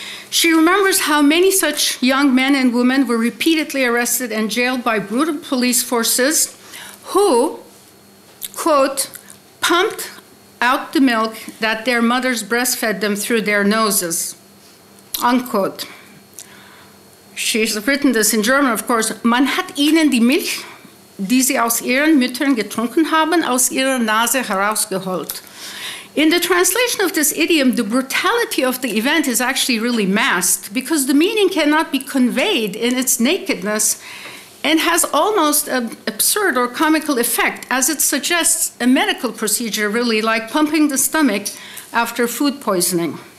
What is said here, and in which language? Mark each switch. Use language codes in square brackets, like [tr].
[en] She remembers how many such young men and women were repeatedly arrested and jailed by brutal police forces who, quote, pumped out the milk that their mothers breastfed them through their noses, unquote. She's written this in German, of course. [de] Man hat ihnen die Milch, die sie aus ihren Müttern getrunken haben, aus ihrer Nase herausgeholt. [en] In the translation of this idiom, the brutality of the event is actually really masked because the meaning cannot be conveyed in its nakedness and has almost an absurd or comical effect, as it suggests a medical procedure, really, like pumping the stomach after food poisoning.